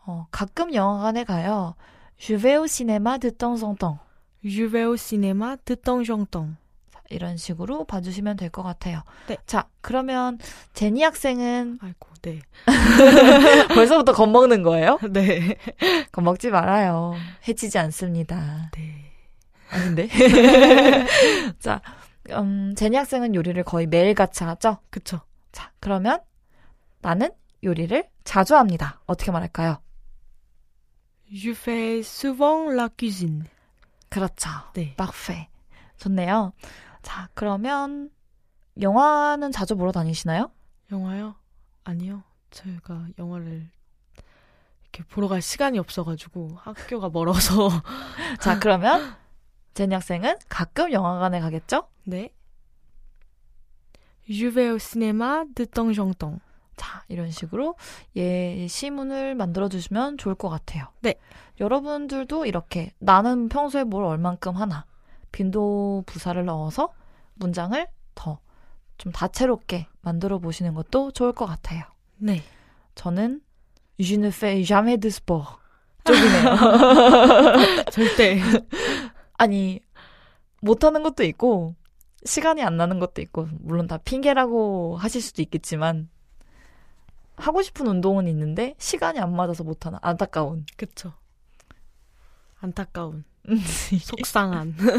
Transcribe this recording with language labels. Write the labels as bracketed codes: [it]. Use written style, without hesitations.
[ko] 가끔 영화관에 가요. [fr] Je vais au cinéma de temps en temps. Je vais au cinéma de temps en temps. [ko] 이런 식으로 봐주시면 될 것 같아요. 네. 자, 그러면 제니 학생은 아이고, 네. 벌써부터 겁먹는 거예요? 네. 겁먹지 말아요. 해치지 않습니다. 네. 아닌데? 자, 제니 학생은 요리를 거의 매일 같이 하죠? 그쵸. 자, 그러면 나는 요리를 자주 합니다. 어떻게 말할까요? [fr] Je fais souvent la cuisine. [ko] 그렇죠. 네. [fr] Parfait. [ko] 좋네요. 자, 그러면 영화는 자주 보러 다니시나요? 영화요? 아니요. 제가 영화를 이렇게 보러 갈 시간이 없어가지고 학교가 멀어서. 자, 그러면 제니 학생은 가끔 영화관에 가겠죠? 네. [fr] Je vais au cinéma de temps en temps. [ko] 자, 이런 식으로 예시문을 만들어주시면 좋을 것 같아요. 네. 여러분들도 이렇게 나는 평소에 뭘 얼만큼 하나 빈도 부사를 넣어서 문장을 더 좀 다채롭게 만들어 보시는 것도 좋을 것 같아요. 네. 저는 [fr] Je ne fais jamais de sport [ko] 쪽이네요. 절대. 아니, 못하는 것도 있고 시간이 안 나는 것도 있고 물론 다 핑계라고 하실 수도 있겠지만 하고 싶은 운동은 있는데 시간이 안 맞아서 못하는 안타까운. 그쵸. 안타까운. 속상한.